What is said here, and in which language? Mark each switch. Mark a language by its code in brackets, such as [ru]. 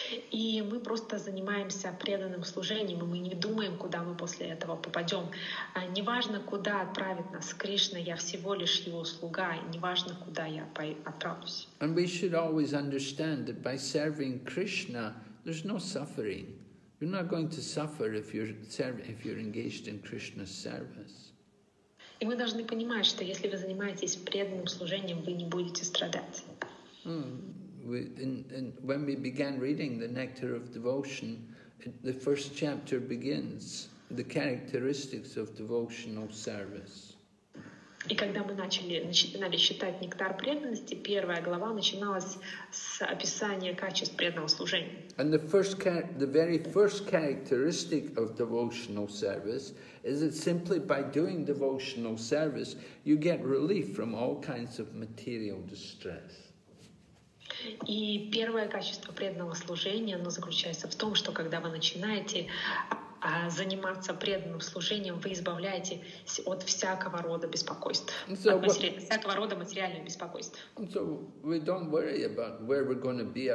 [ru] И мы просто занимаемся преданным служением, и мы не думаем, куда мы после этого попадем. Неважно, куда отправит нас Кришна, я всего лишь его слуга, и неважно, куда я отправлюсь. [en] And we should always understand that by serving Krishna, there's no suffering. You're not going to suffer if you're engaged in Krishna's service. [ru] И мы должны понимать, что если вы занимаетесь преданным служением, вы не будете страдать. [en] When we began reading the Nectar of Devotion, the first chapter begins the characteristics of devotional service. [ru] И когда мы начали читать Нектар преданности, первая глава начиналась с описания качеств преданного служения. [en] And the very first characteristic of devotional service is that simply by doing devotional service, you get relief from all kinds of material distress. [ru] И первое качество преданного служения, оно заключается в том, что когда вы начинаете заниматься преданным служением, вы избавляетесь от всякого рода беспокойств, всякого рода материального беспокойства. [en] So we don't worry about where we're going to be.